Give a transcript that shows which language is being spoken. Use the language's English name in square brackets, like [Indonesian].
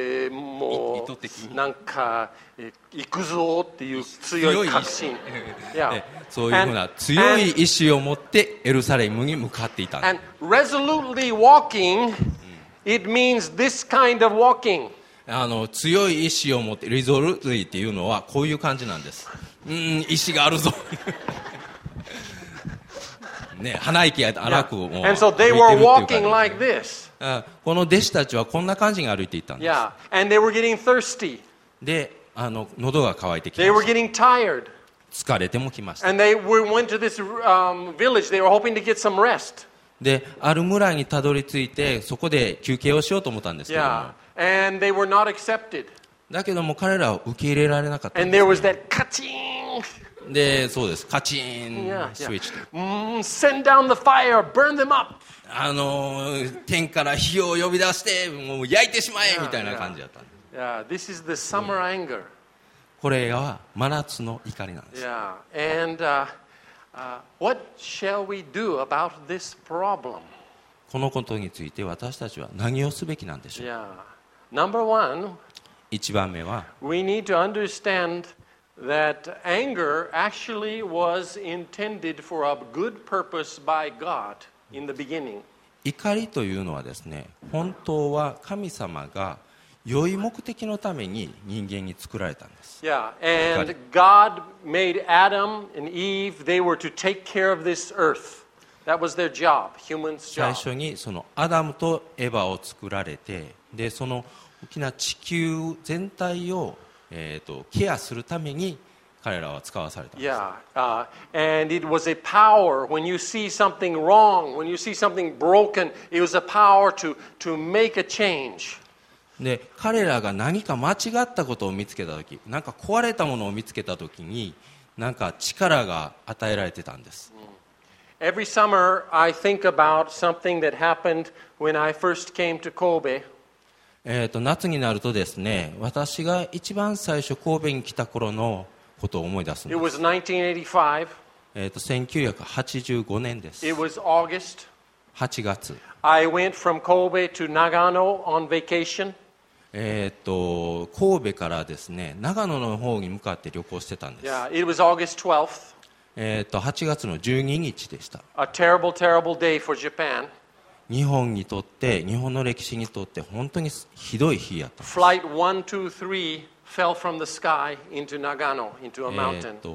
[Japanese] もう、なんか、行くぞっていう強い確信。 [English] Yeah. [Japanese] そういうふうな強い意志を持ってエルサレムに向かっていた。 [English] And resolutely walking, it means this kind of walking. [Japanese] 強い意志を持って、resolutely っていうのはこういう感じなんです。意志があるぞ。ね、鼻息が荒く、もう、 [English] And so they were walking like this. [Japanese] この弟子たちはこんな感じに歩いていたんです。 [English] Yeah. And they were getting thirsty. [Japanese] で、喉が渇いてきました。 [English] They were getting tired. [Japanese] 疲れてもきました。 [English] And they went to this, village. They were hoping to get some rest. [Japanese] で、ある村にたどり着いて、そこで休憩をしようと思ったんですけども。 [English] Yeah. And they were not accepted. [Japanese] だけども彼らは受け入れられなかったんです、 [English] ね。And there was that カチーン。 [Japanese] で、そうです。カチーン、スイッチ。 [English] Send down the fire, burn them up. [Japanese] 天から火を呼び出して、もう焼いてしまえ、yeah, みたいな感じだったんです。 [English] Yeah. Yeah. This is the summer anger. [Japanese] これは真夏の怒りなんです。 [English] Yeah. And, what shall we do about this problem? [Japanese] このことについて私たちは何をすべきなんでしょう。 [English] Yeah. Number one, [Japanese] 一番目は、 [English] We need to understandThat anger actually was intended for a good purpose by God in the beginning. [Japanese] 怒りというのはですね、本当は神様が良い目的のために人間に作られたんです。 [English] Yeah, and God made Adam and Eve. They were to take care of this earth. That was their job, humans' job. [Japanese] 最初にそのアダムとエヴァを作られて、でその大きな地球全体をケアするために彼らは使わされたんです。 [English] Yeah, and it was a power. When you see something wrong, when you see something broken, it was a power to make a change. [Japanese] で、彼らが何か間違ったことを見つけたとき、何か壊れたものを見つけたときに、何か力が与えられてたんです。 [English] Every summer, I think about something that happened when I first came to Kobe. [Japanese] 夏になるとですね、私が一番最初神戸に来た頃のことを思い出すんです。 [English] It was 1985. [Japanese] 1985年です。 [English] It was August. [Japanese] 8月。 [English] I went from Kobe to Nagano on vacation. [Japanese] 神戸からですね、長野の方に向かって旅行してたんです。 [English] Yeah, it was August 12th. [Japanese] 8月の12日でした。 [English] A terrible, terrible day for Japan. [Japanese] 日本にとって、日本の歴史にとって本当にひどい日やった。 [English] Flight 123 fell from the sky into Nagano, into a mountain.